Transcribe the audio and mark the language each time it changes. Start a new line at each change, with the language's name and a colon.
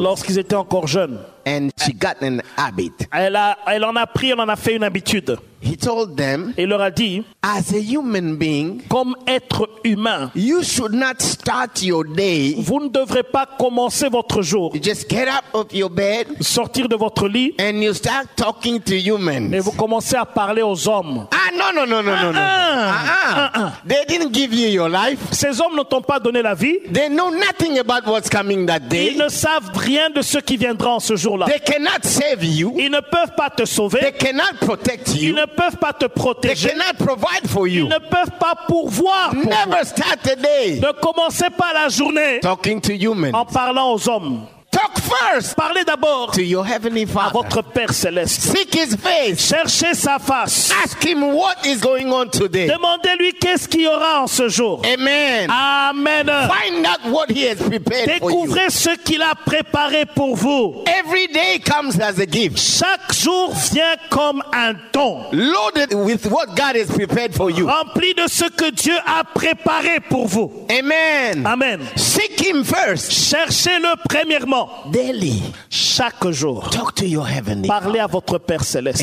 French: lorsqu'ils étaient encore jeunes,
English: and she got an habit.
French: Elle en a fait une habitude.
English: He told them,
French: il leur a dit,
English: as a human being,
French: comme être humain,
English: you should not start your day,
French: vous ne devrez pas commencer votre jour,
English: you just get up of your bed,
French: sortir de votre lit,
English: and you start talking to humans.
French: Mais vous commencez à parler aux hommes. Ah non non non non non non.
English: They didn't give you your life.
French: Ces hommes ne t'ont pas donné la vie.
English: They know nothing about what's coming that day.
French: Ils ne savent rien de ce qui viendra en ce jour-là.
English: They cannot save you.
French: Ils ne peuvent pas te sauver.
English: They cannot protect you.
French: Ils ne peuvent pas te protéger.
English: They cannot provide for you.
French: Ils ne peuvent pas pourvoir pour
English: Never
French: vous.
English: Start the day.
French: Ne commencez pas la journée
English: talking to humans.
French: En parlant aux hommes.
English: Talk first.
French: Parlez d'abord
English: to your heavenly Father.
French: À votre Père céleste.
English: Seek his face.
French: Cherchez sa face.
English: Ask him what is going on today.
French: Demandez-lui qu'est-ce qu'il y aura en ce jour.
English: Amen.
French: Amen.
English: Find out what he has prepared
French: Découvrez
English: for you.
French: Découvrez ce qu'il a préparé pour vous.
English: Every day comes as a gift.
French: Chaque jour vient comme un don.
English: Loaded with what God has prepared for you.
French: Rempli de ce que Dieu a préparé pour vous.
English: Amen.
French: Amen.
English: Seek him first.
French: Cherchez-le premièrement.
English: Daily,
French: chaque jour,
English: talk to your heavenly Father.
French: Parlez à votre Père céleste.